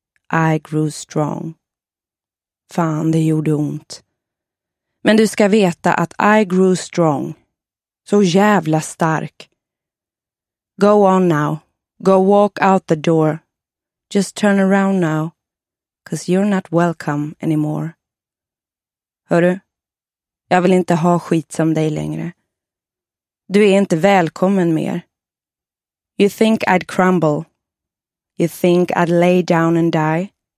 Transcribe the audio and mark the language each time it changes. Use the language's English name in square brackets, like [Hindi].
[English] I grew strong. [Swedish] Fan, det gjorde ont. Men du ska veta att [English] I grew strong. [Swedish] Så jävla stark. [English] Go on now. Go walk out the door. Just turn around now. 'Cause you're not welcome anymore. [Swedish] Hörru, jag vill inte ha skit som dig längre. Du är inte välkommen mer. [English] You think I'd crumble. You think I'd lay down and die.